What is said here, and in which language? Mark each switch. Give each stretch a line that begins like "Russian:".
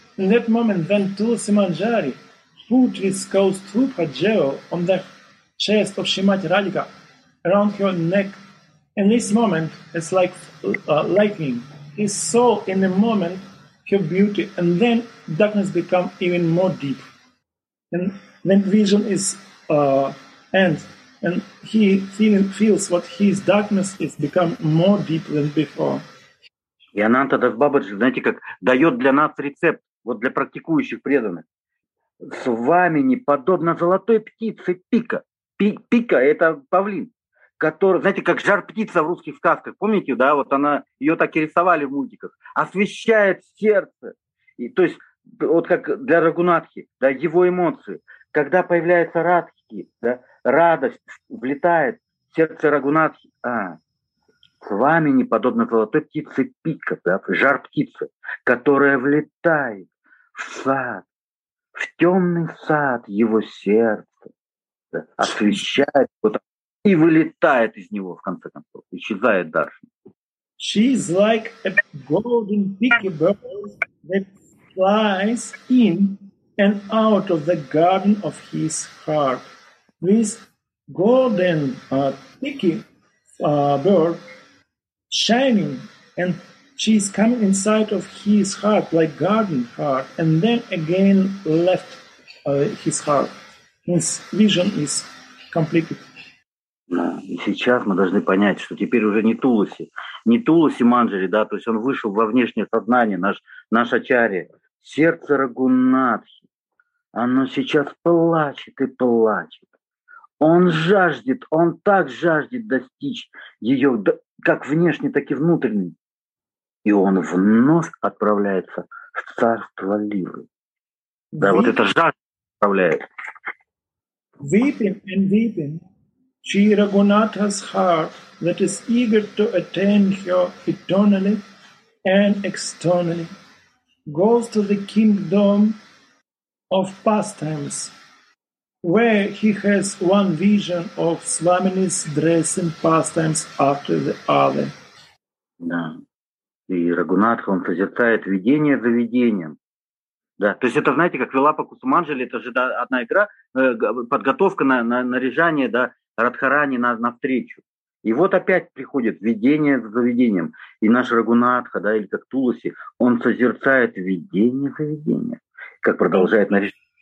English: In that moment, when Tulsi Manjari put his ghost through her jewel on the chest of Srimati Radhika around her neck, in this moment, it's like lightning. He saw in a moment her beauty, and then darkness become even more deep. And then vision is ends, and he feels what his darkness is become more deep than before.
Russian: И Ананта Дас Бабаджи, знаете, как дает для нас рецепт, вот для практикующих преданных. С вами не подобно золотой птице пика. Пика – это павлин, который, знаете, как жар-птица в русских сказках. Помните, да, вот она, ее так и рисовали в мультиках. Освещает сердце. И, то есть, вот как для Рагунатхи, да, его эмоции. Когда появляется Радхи, да, радость влетает в сердце Рагунатхи. С вами не подобно золотой птице пика, да, жар птицы, которая влетает в сад, в темный сад его сердца, да, освещает вот, и вылетает из него в конце концов, исчезает дальше.
English: She's like a golden picky bird that flies in and out of the garden of his heart. This golden picky bird shining, and she's coming inside of his heart, like garden heart, and then again left his heart. His vision is completed.
Russian: И сейчас мы должны понять, что теперь уже не Туласи Манджари, да, то есть он вышел во внешнее сознание, наш ачарья, сердце Рагунатхи, оно сейчас плачет и плачет. Он жаждет, он так жаждет достичь ее, как внешне, так и внутренне. И он вновь отправляется в царство Ливы. Да, вот эта жажда отправляет.
English: Weeping and weeping, Sri Raghunatha's heart that is eager to attain her eternally and externally goes to the kingdom of pastimes, where he has one vision of Swamini's dressing pastimes after the other.
Russian: Да. И Рагунатха, он созерцает видение за видением. Да. То есть это, знаете, как Вилапа Кусуманджали, это же, да, одна игра, подготовка на наряжание, да, Радхарани на встречу. И вот опять приходит видение за видением. И наш Рагунатха, да, или как Туласи, он созерцает видение за видением. Как продолжает наряжение.